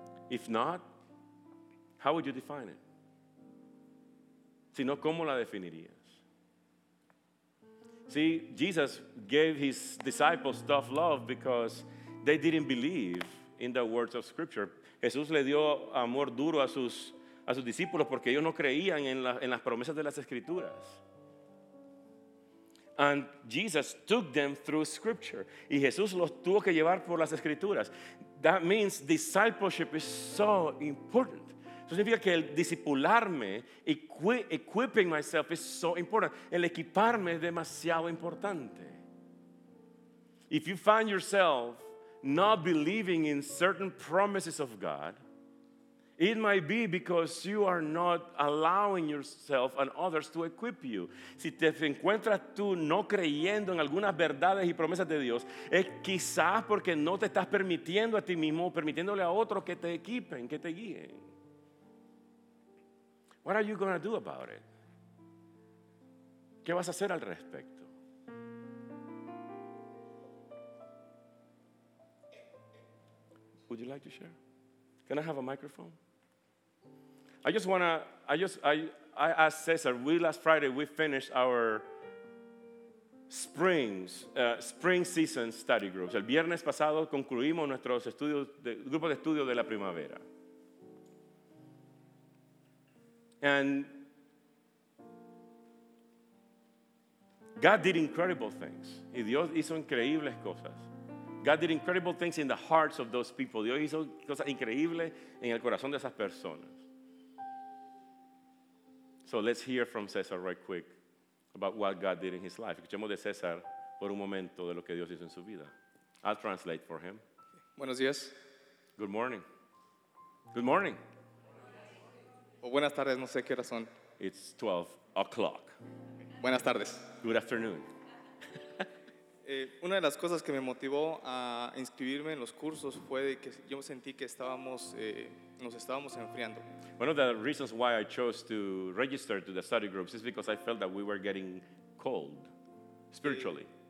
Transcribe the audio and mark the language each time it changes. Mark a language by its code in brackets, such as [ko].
[en] If not, how would you define it? [es] Si no, ¿cómo la definirías? [en] See, Jesus gave his disciples tough love because they didn't believe in the words of Scripture. [es] Jesús le dio amor duro a sus discípulos porque ellos no creían en las promesas de las Escrituras. [en] And Jesus took them through scripture. [es] Y Jesús los tuvo que llevar por las escrituras. [en] That means discipleship is so important. [es] Eso significa que el discipularme, [en] equipping myself, is so important. [es] El equiparme es demasiado importante. [en] If you find yourself not believing in certain promises of God, it might be because you are not allowing yourself and others to equip you. [es] Si te encuentras tú no creyendo en algunas verdades y promesas de Dios, es quizás porque no te estás permitiendo a ti mismo, permitiéndole a otros que te equipen, que te guíen. [en] What are you going to do about it? [es] ¿Qué vas a hacer al respecto? [en] Would you like to share? Can I have a microphone? I asked Cesar, last Friday we finished our spring season study groups. [es] El viernes pasado concluimos nuestros estudios, grupo de estudio de la primavera. [en] And God did incredible things. [es] Y Dios hizo increíbles cosas. [en] God did incredible things in the hearts of those people. [es] Dios hizo cosas increíbles en el corazón de esas personas. [en] So let's hear from Cesar right quick about what God did in his life. [es] Escuchemos de Cesar por un momento de lo que Dios hizo en su vida. [en] I'll translate for him. [es] Buenos días. [en] Good morning. Good morning. [es] O buenas tardes, no sé qué hora son. [en] It's 12 o'clock. [es] Buenas tardes. [en] Good afternoon. [es] Una de las cosas que me motivó a inscribirme en los cursos fue de que yo sentí que nos estábamos enfriando. [en] One of the reasons why I chose to register to the study groups is because I felt that we were getting cold spiritually.